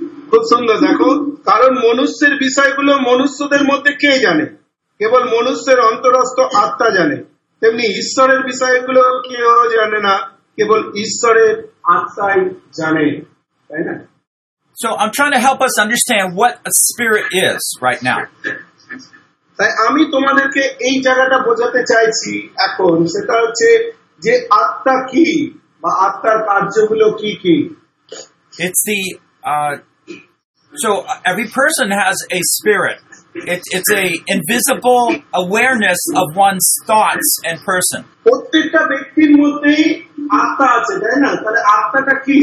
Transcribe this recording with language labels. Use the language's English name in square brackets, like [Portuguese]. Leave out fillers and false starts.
[Bangla] খুব সুন্দর, দেখো কারণ মনুষ্যের বিষয়গুলো মনুষ্যদের মধ্যে কে জানে? কেবল মনুষ্যের অন্তরস্থ আত্মা জানে। তেমনি ঈশ্বরের বিষয়গুলো কেউ জানে না, কেবল ঈশ্বরের আত্মাই জানে, তাই না? [English] So I'm trying to help us understand what a spirit is right now. [Bangla] তাই আমি তোমাদেরকে এই জায়গাটা বোঝাতে চাইছি এখন, সেটা হচ্ছে যে আত্মা কি বা আত্মার কার্যগুলো কি কি। [English] It's the so every person has a spirit. It's a invisible awareness of one's thoughts and person. [Bangla] প্রত্যেকটা ব্যক্তির মধ্যে আত্মা আছে, তাই না? তাহলে আত্মাটা কি?